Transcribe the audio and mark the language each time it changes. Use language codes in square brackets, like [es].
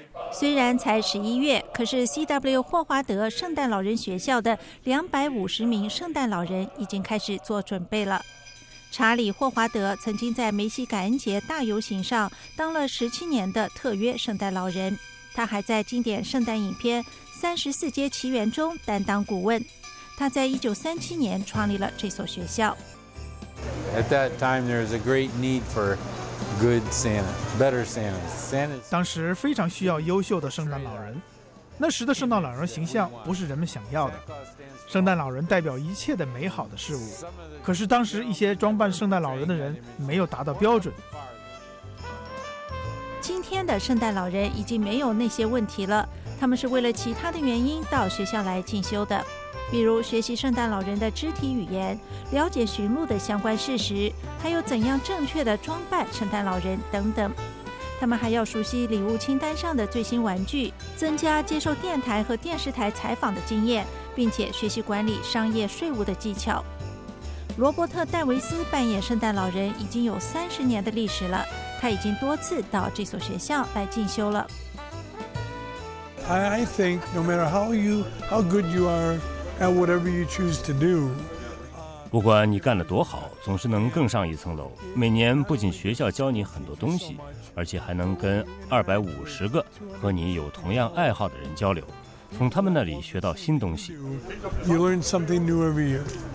[zh] 虽然才11月，可是 CW 霍华德圣诞老人学校的250名圣诞老人已经开始做准备了。查理·霍华德曾经在梅西感恩节大游行上当了17年的特约圣诞老人，他还在经典圣诞影片《34街奇缘》中担当顾问。他在1937年创立了这所学校。 [en] At that time, there was a great need for good Santa, better Santa. Santa. [zh] 当时非常需要优秀的圣诞老人。那时的圣诞老人形象不是人们想要的。圣诞老人代表一切的美好的事物。可是当时一些装扮圣诞老人的人没有达到标准。今天的圣诞老人已经没有那些问题了。他们是为了其他的原因到学校来进修的。比如学习圣诞老人的肢体语言，了解驯鹿的相关事实，还有怎样正确的装扮圣诞老人等等。他们还要熟悉礼物清单上的最新玩具，增加接受电台和电视台采访的经验，并且学习管理商业税务的技巧。罗伯特·戴维斯扮演圣诞老人已经有30年的历史了，他已经多次到这所学校来进修了。 [en] I think no matter how good you are. And whatever you choose to do, [zh] 不管你干得多好，总是能更上一层楼。每年不仅学校教你很多东西，而且还能跟250个和你有同样爱好的人交流，从他们那里学到新东西。 [en] You learn something new every year.